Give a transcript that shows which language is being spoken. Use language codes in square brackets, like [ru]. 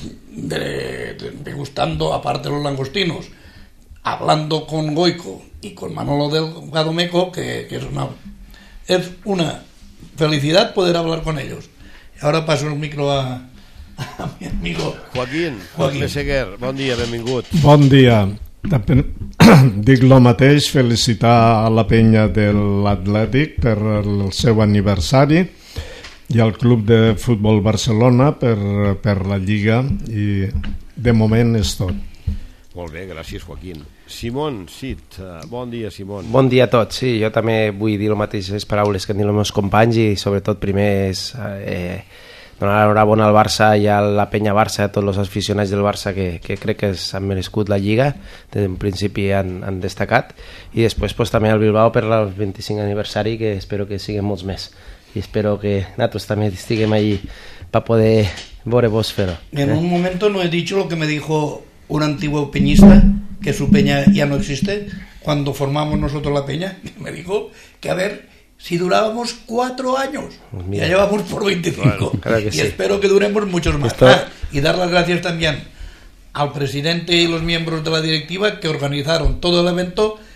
[es] De gustando, aparte de los langostinos, hablando con Goico y con Manolo Delgado Meco, que es una felicidad poder hablar con ellos. Ahora paso el micro a mi amigo [ca] Joaquín. Meseguer, bon dia, benvingut. Bon dia. Dic lo mateix, felicitar a la penya de l'Atlètic per el seu aniversari i al Club de Futbol Barcelona per la Lliga, i de moment és tot. Molt bé, gràcies, Joaquín. Simón Cid, bon dia, Simón. Bon dia a tots, sí, jo també vull dir les mateixes paraules que han dit els meus companys, i sobretot primer és donar l'enhorabona al Barça i a la penya Barça, a tots els aficionats del Barça que crec que s'han merescut la Lliga, des d'un principi han destacat, i després pues, també al Bilbao per el 25 aniversari, que espero que siguin molts més. I espero que nosaltres també estiguem allí per poder veure vos fer-ho. En un moment no he dit el que [es] me dijo un antiguo peñista, que su peña ya no existe, cuando formamos nosotros la peña, me dijo que a ver si durábamos 4 años, pues ya llevamos por 25, bueno, claro que y sí. Espero que duremos muchos más. Esto... Y dar las gracias también al presidente y los miembros de la directiva que organizaron todo el evento.